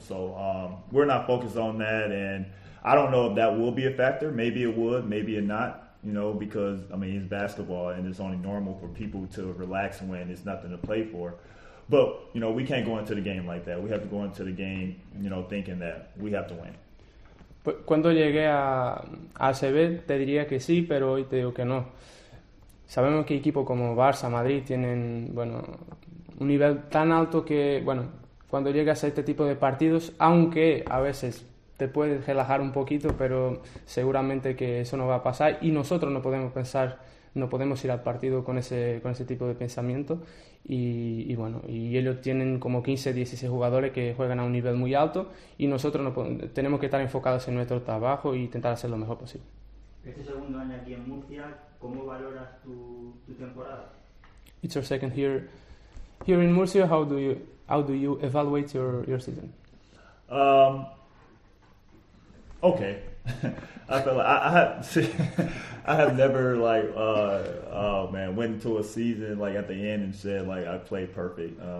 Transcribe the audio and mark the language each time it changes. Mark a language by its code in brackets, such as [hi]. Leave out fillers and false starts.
[en] So we're not focused on that. And I don't know if that will be a factor. Maybe it would, maybe it not. You know, because I mean, it's basketball, and it's only normal for people to relax when it's nothing to play for. But you know, we can't go into the game like that. We have to go into the game, you know, thinking that we have to win. [es] Cuando llegué a ACB te diría que sí, pero hoy te digo que no. Sabemos que equipos como Barça, Madrid tienen, bueno, un nivel tan alto que, bueno, cuando llegas a este tipo de partidos, aunque a veces te puedes relajar un poquito, pero seguramente que eso no va a pasar y nosotros no podemos pensar, no podemos ir al partido con ese tipo de pensamiento. Y bueno, y ellos tienen como 15, 16 jugadores que juegan a un nivel muy alto y nosotros no tenemos que estar enfocados en nuestro trabajo y intentar hacer lo mejor posible. Este segundo año aquí en Murcia, ¿cómo valoras tu temporada? [en] It's your second here. Here in Murcia, how do you evaluate your season? Okay. I feel like I have never like oh man, went into a season like at the end and said like I played perfect.